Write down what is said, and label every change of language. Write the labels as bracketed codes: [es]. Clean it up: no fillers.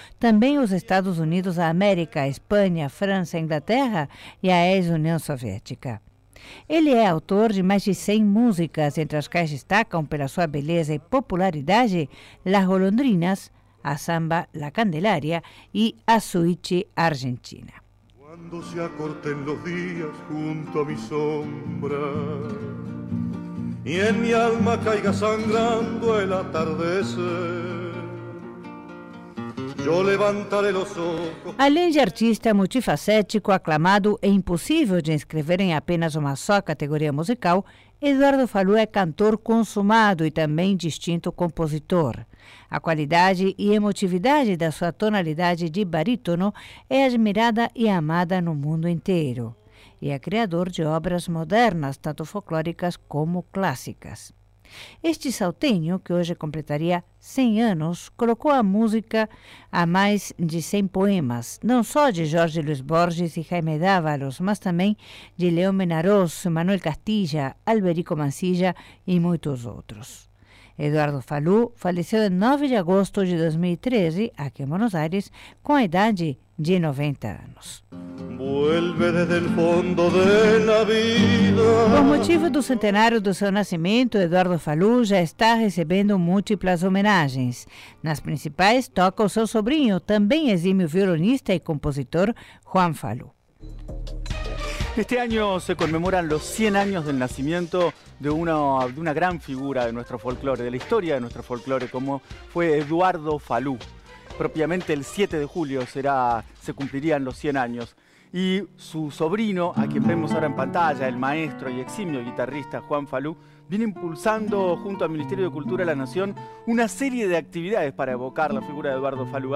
[pt] Também os Estados Unidos da América, Espanha, França, Inglaterra e a ex-União Soviética. Ele é autor de mais de 100 músicas, entre as quais destacam, pela sua beleza e popularidade, Las Golondrinas, a Samba La Candelaria e A Suite Argentina. [es] Cuando se acorten los días junto a mi sombra y en mi alma caiga sangrando el atardecer, yo levantaré los ojos. [pt] Além de artista multifacético, aclamado e impossível de inscrever em apenas uma só categoria musical, Eduardo Falú é cantor consumado e também distinto compositor. A qualidade e emotividade da sua tonalidade de barítono é admirada e amada no mundo inteiro. E é criador de obras modernas, tanto folclóricas como clássicas. Este saltenho, que hoje completaria 100 anos, colocou a música a mais de 100 poemas, não só de Jorge Luis Borges e Jaime Dávalos, mas também de Leo Menaroz, Manuel Castilla, Alberico Mancilla e muitos outros. Eduardo Falú faleceu em 9 de agosto de 2013, aqui em Buenos Aires, com a idade de 90 anos. [es] Vuelve desde el fondo de la vida. [pt] Por motivo do centenário do seu nascimento, Eduardo Falú já está recebendo múltiplas homenagens. Nas principais, toca o seu sobrinho, também exímio violonista e compositor, Juan Falú. [es] Este año se conmemoran los 100 años del nacimiento de una gran figura de nuestro folclore, de la historia de nuestro folclore, como fue Eduardo Falú. Propiamente el 7 de julio se cumplirían los 100 años. Y su sobrino, a quien vemos ahora en pantalla, el maestro y eximio guitarrista Juan Falú, viene impulsando junto al Ministerio de Cultura de la Nación una serie de actividades para evocar la figura de Eduardo Falú.